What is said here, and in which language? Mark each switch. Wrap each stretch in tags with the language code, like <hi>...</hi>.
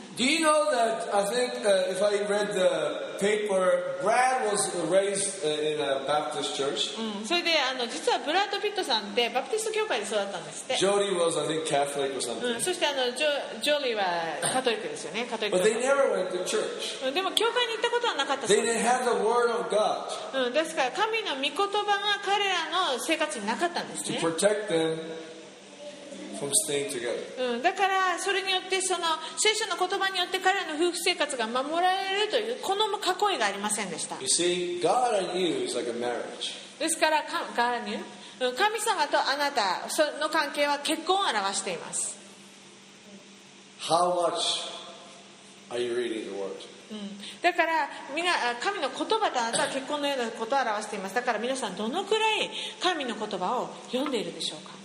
<en>Do you know that I think、if I read the paper, Brad was raised in a Baptist church.</en> <ja>それで実はブラッド・ピットさんってバプティスト教会で育ったんですって。</ja> <en>Jody was, I think, Catholic or something.</en> <ja>そしてJody はカトリックですよね。カトリック。</ja> <en>But they never went to church.</en> <ja>でも教会に行ったことはなかったそうです。</ja> <en>They didn't have the word of God.</en> <ja>ですから神の御言葉が彼らの生活になかったんですね。</ja> <en>To protect them. From staying together.</en> <ja>だからそれによってその聖書の言葉によって彼らの夫婦生活が守られるというこの囲いがありませんでした。</ja> <en>You see, God and you is like a marriage.</en> <ja>ですから</ja> <en>God and you?</en> <ja>神様とあなたの関係は結婚を表しています。</ja> <en>How much are you reading the word?</en> <ja>だから神の言葉とあなたは結婚のようなことを表しています。だから皆さんどのくらい神の言葉を読んでいるでしょうか。</ja>